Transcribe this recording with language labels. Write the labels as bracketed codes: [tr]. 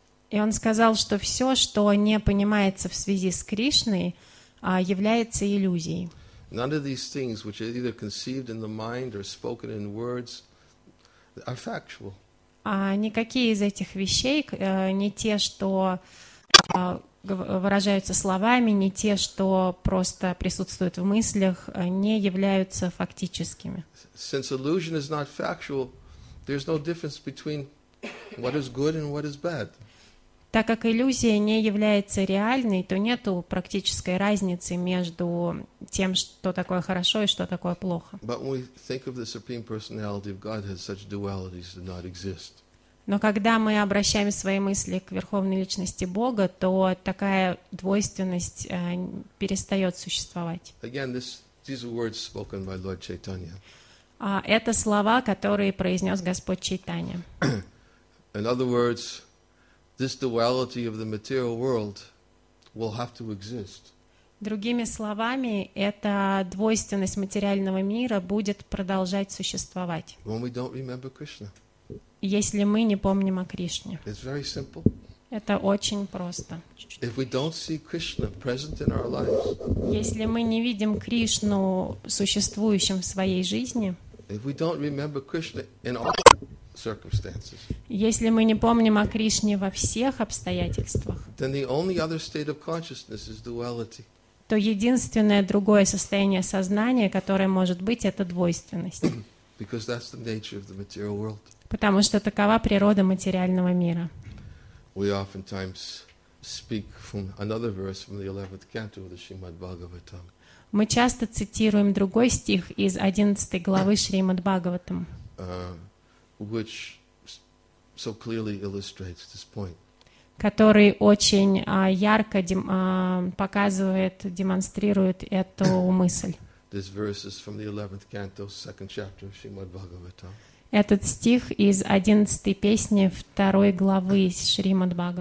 [ru] И он сказал, что все, что не понимается в связи с Кришной, является иллюзией. [en] None of these things, which are either conceived in the mind or spoken in words, are factual. [ru] Никакие из этих вещей, не те, что выражаются словами, не те, что просто присутствуют в мыслях, не являются фактическими. [en] Since illusion is not factual, there's no difference between what is good and what is bad. [ru] Так как иллюзия не является реальной, то нет практической разницы между тем, что такое хорошо и что такое плохо. [en] But when we think of the Supreme Personality of Godhead, such dualities do not exist. [ru] Но когда мы обращаем свои мысли к Верховной Личности Бога, то такая двойственность перестает существовать. [en] Again, these are words spoken by Lord Chaitanya. [ru] Это слова, которые произнес Господь Чайтанья. [en] In other words, this duality of the material world will have to exist. [ru] Другими словами, эта двойственность материального мира будет продолжать существовать. [en] When we don't remember Krishna. [ru] Если мы не помним о Кришне. [en] It's very simple. [ru] Это очень просто. [en] If we don't see Krishna present in our lives. [ru] Если мы не видим Кришну существующим в своей жизни. [en] If we don't remember Krishna in all circumstances. [ru] Если мы не помним о Кришне во всех обстоятельствах. [en] Then the only other state of consciousness is duality. [ru] То единственное другое состояние сознания, которое может быть, это двойственность. [en] Because that's the nature of the material world. [ru] Потому что такова природа материального мира. [en] We oftentimes speak from another verse from the 11th canto of the Srimad Bhagavatam. [ru] Мы часто цитируем другой стих из 11 главы Шримад Бхагаватам, [en] which so clearly illustrates this point. [ru] Который очень ярко показывает, демонстрирует эту мысль. [en] This verse is from the 11th canto, second chapter of Srimad Bhagavatam. [ru] Этот стих из 11 песни 2 главы Шримад